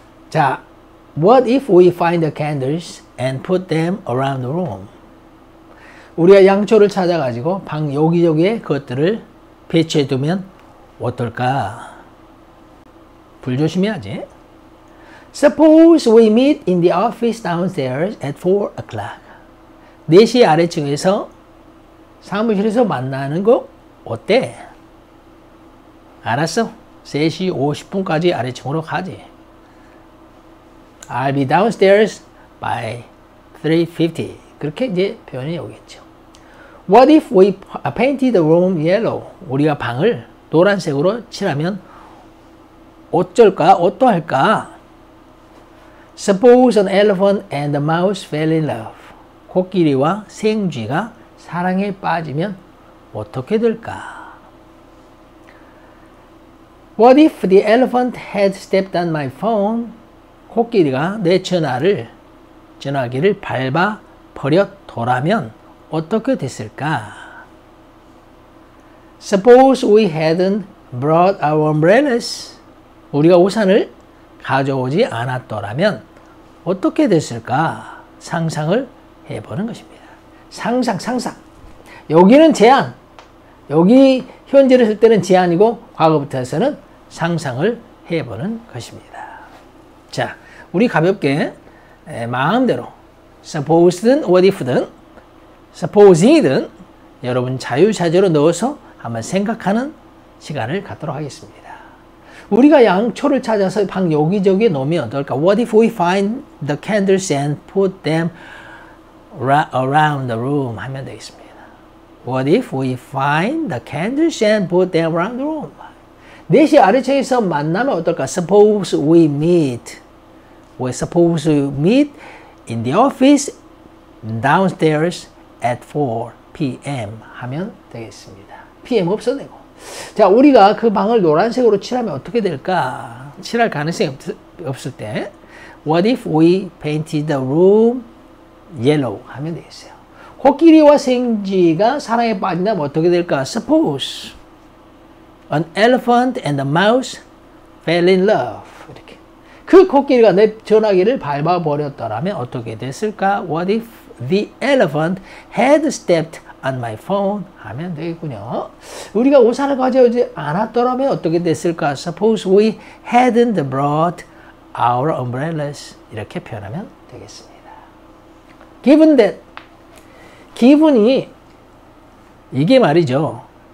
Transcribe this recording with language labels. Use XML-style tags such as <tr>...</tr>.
<en>자, What if we find the candles and put them around the room?</en> <ko>우리가 양초를 찾아가지고 방 여기저기에 그것들을 배치해 두면 어떨까? 불 조심해야지.</ko> <en>Suppose we meet in the office downstairs at 4 o'clock.</en> <ko>4시 아래층에서 사무실에서 만나는 거 어때? 알았어. 3시 50분까지 아래층으로 가지.</ko> <en>I'll be downstairs by 3:50.</en> <ko>그렇게 이제 표현이 오겠죠.</ko> <en>What if we painted the room yellow?</en> <ko>우리가 방을 노란색으로 칠하면 어쩔까? 어떠할까?</ko> <en>Suppose an elephant and a mouse fell in love.</en> <ko>코끼리와 생쥐가 사랑에 빠지면 어떻게 될까?</ko> <en>What if the elephant had stepped on my phone?</en> <ko>코끼리가 내 전화기를 밟아 버렸더라면 어떻게 됐을까?</ko> <en>Suppose we hadn't brought our umbrellas.</en> <ko>우리가 우산을 가져오지 않았더라면 어떻게 됐을까? 상상을 해보는 것입니다. 상상. 여기는 제안. 여기 현재를 쓸 때는 제안이고 과거부터서는 상상을 해보는 것입니다. 자, 우리 가볍게 마음대로 suppose든 what if든 supposing이든 여러분 자유자재로 넣어서 한번 생각하는 시간을 갖도록 하겠습니다. 우리가 양초를 찾아서 방 여기저기에 놓으면 어떨까?</ko> <en>What if we find the candles and put them around the room?</en> <ko>하면 되겠습니다.</ko> <en>What if we find the candles and put them around the room?</en> <ko>4시 아래층에서 만나면 어떨까?</ko> <en>Suppose we meet. We suppose meet in the office downstairs at 4 p.m.</en> <ko>하면 되겠습니다. PM 없어내고. 자, 우리가 그 방을 노란색으로 칠하면 어떻게 될까? 칠할 가능성이 없을 때,</ko> <en>What if we painted the room yellow?</en> <ko>하면 되겠어요. 코끼리와 생쥐가 사랑에 빠진다면 어떻게 될까?</ko> <en>Suppose an elephant and a mouse fell in love.</en> <ko>이렇게. 그 코끼리가 내 전화기를 밟아버렸더라면 어떻게 됐을까?</ko> <en>What if the elephant had stepped on my phone?</en> <ko>하면 되겠군요. 우리가 우산을 가져오지 않았더라면 어떻게 됐을까?</ko> <en>Suppose we hadn't brought our umbrellas.</en> <ko>이렇게 표현하면 되겠습니다. Given that. 기분이 이게 말이죠.</ko>